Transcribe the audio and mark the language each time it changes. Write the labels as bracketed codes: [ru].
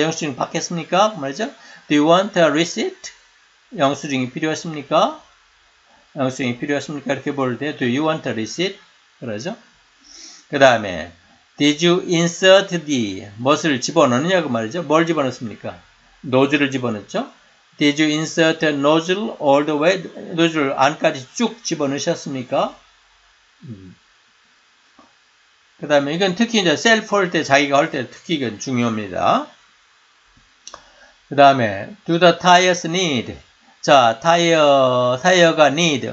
[ko] 영수증 받겠습니까? 그 말이죠. [en] Do you want a receipt? [ko] 영수증이 필요하십니까? 영수증이 필요하십니까? 이렇게 볼 때 [en] Do you want a receipt? [ko] 그러죠. 그 다음에 [en] Did you insert the? [ko] 무엇을 집어넣느냐고 말이죠. 뭘 집어넣습니까? 노즐을 집어넣죠. [en] Did you insert a nozzle all the way? [ko] 노즐 안까지 쭉 집어넣으셨습니까? 그 다음에 이건 특히 이제 셀프 할 때 자기가 할 때 특히 이건 중요합니다. 그 다음에 [en] Do the tires need? [ko] 자, 타이어가 need.